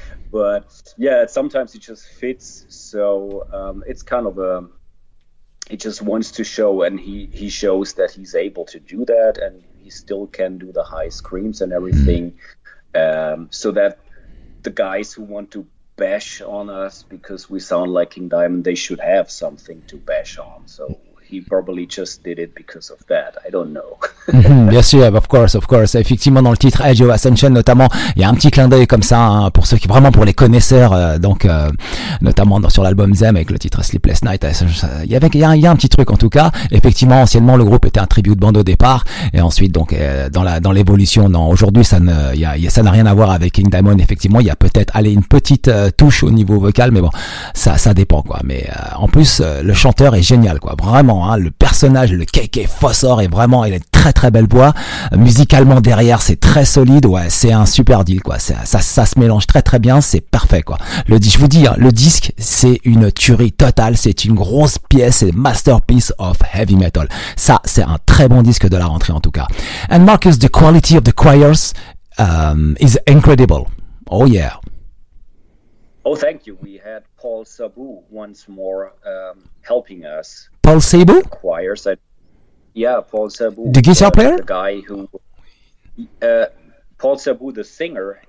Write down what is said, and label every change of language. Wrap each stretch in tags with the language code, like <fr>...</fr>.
<en>But yeah, sometimes it just fits. So it's kind of a, he just wants to show, and he shows that he's able to do that, and he still can do the high screams and everything. So that the guys who want to bash on us because we sound like King Diamond, they should have something to bash on. So he probably just did it because of that. I don't know.</en> <fr>Bien sûr,</fr> <en>of course.</en> <fr>Effectivement, dans le titre Age of Ascension, notamment, il y a un petit clin d'œil comme ça, hein, pour ceux qui, vraiment pour les connaisseurs, notamment sur l'album Zem avec le titre Sleepless Night. Il y a un petit truc en tout cas. Effectivement, anciennement, le groupe était un tribute band au départ. Et ensuite, donc, dans l'évolution, non, aujourd'hui, ça n'a rien à voir avec King Diamond. Effectivement, il y a peut-être, allez, une petite touche au niveau vocal, mais bon, ça dépend, quoi. Mais en plus, le chanteur est génial, quoi. Vraiment, hein, le personnage, le KK Fossor est vraiment, il est très très belle voix, musicalement derrière c'est très solide, ouais c'est un super deal quoi, ça se mélange très très bien, c'est parfait quoi, je vous dis, hein, le disque c'est une tuerie totale, c'est une grosse pièce, c'est</fr> <en>masterpiece of heavy metal,</en> <fr>ça c'est un très bon disque de la rentrée en tout cas.</fr> <en>And Marcus, the quality of the choirs is incredible, oh yeah. Oh thank you, we had Paul Sabu once more helping us. Paul Sabu? The choirs, yeah, Paul Sabu. The guitar player? The guy who... Paul Sabu, the singer.</en>